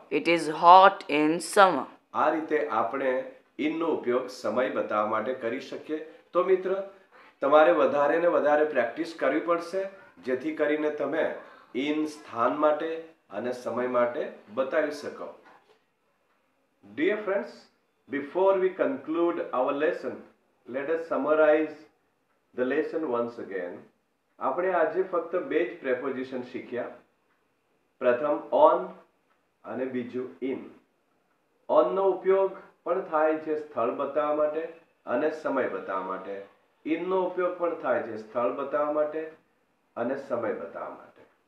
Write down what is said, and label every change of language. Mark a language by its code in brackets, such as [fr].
[en] It is hot in summer. [gu] આ રીતે આપણે in નો ઉપયોગ સમય બતાવવા માટે કરી શકીએ. તો મિત્ર, તમારે વધારે ને વધારે પ્રેક્ટિસ કરવી પડશે, જેથી કરીને તમે in સ્થાન માટે અને સમય માટે બતાવી શકો. [en] Dear friends, before we conclude our lesson, let us summarize the lesson once again. [gu] આપણે આજે ફક્ત બે જ પ્રેપોઝિશન શીખ્યા, પ્રથમ ઓન અને બીજું ઇન. ઓનનો ઉપયોગ પણ થાય છે સ્થળ બતાવવા માટે અને સમય બતાવવા માટે, ઇનનો ઉપયોગ પણ થાય છે સ્થળ બતાવવા માટે અને સમય બતાવવા માટે.